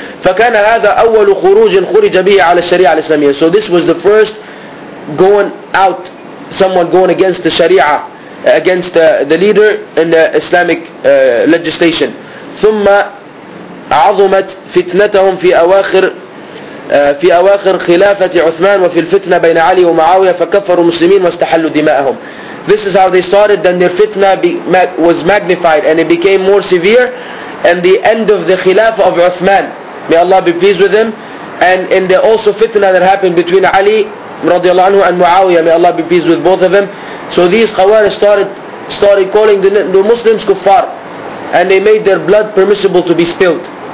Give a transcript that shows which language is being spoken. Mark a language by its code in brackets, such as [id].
[ar] فَكَانَ هَذَا أَوَّلُ خُرُوجٍ خُرِجَ بِهِ عَلَى الشَّرِيعَ الْإِسْلَامِيَةِ. [en] So this was the first going out, someone going against the Sharia, against the leader in the Islamic legislation. [ar] ثُمَّ عَظُمَتْ فِتْنَتَهُمْ فِي أَوَاخِرِ في أواخر خلافة عثمان وفي الفتنة بين علي ومعاوية فكفروا المسلمين واستحلوا دماءهم. [en] This is how they started. Then their fitna was magnified and it became more severe. And the end of the khilafah of Uthman, may Allah be pleased with him, and in the also fitna that happened between Ali radiallahu anhu and Muawiyah, may Allah be pleased with both of them. So these Khawarij started calling the Muslims kuffar, and they made their blood permissible to be spilled.